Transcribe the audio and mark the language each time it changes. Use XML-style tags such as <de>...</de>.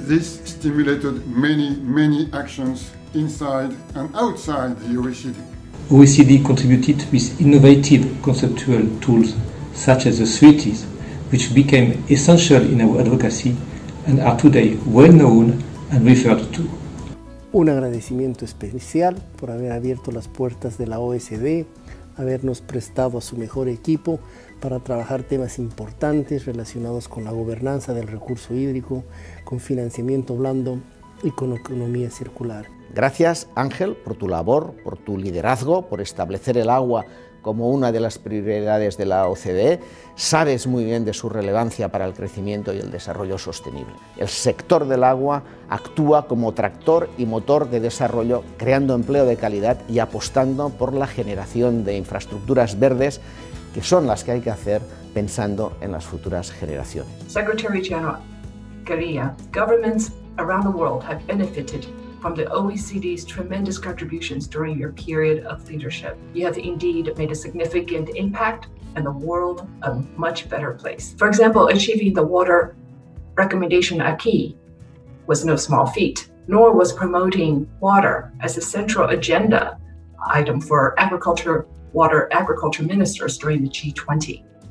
<en>This stimulated many, many actions inside and outside the OECD. OECD contributed with innovative conceptual tools such as the treaties, which became essential in our advocacy and are today well known and referred to.</en> <es>Un agradecimiento especial por haber abierto las puertas de la OECD, habernos prestado a su mejor equipo para trabajar temas importantes relacionados con la gobernanza del recurso hídrico, con financiamiento blando y con economía circular. Gracias, Ángel, por tu labor, por tu liderazgo, por establecer el agua como una de las prioridades de la OCDE. Sabes muy bien de su relevancia para el crecimiento y el desarrollo sostenible. El sector del agua actúa como tractor y motor de desarrollo, creando empleo de calidad y apostando por la generación de infraestructuras verdes, que son las que hay que hacer pensando en las futuras generaciones.</es> <en>Secretary General Gurría, governments around the world have benefited from the OECD's tremendous contributions during your period of leadership. You have indeed made a significant impact and the world a much better place. For example, achieving the water recommendation acquis was no small feat, nor was promoting water as a central agenda item for agriculture, water agriculture ministers during the G20.</en>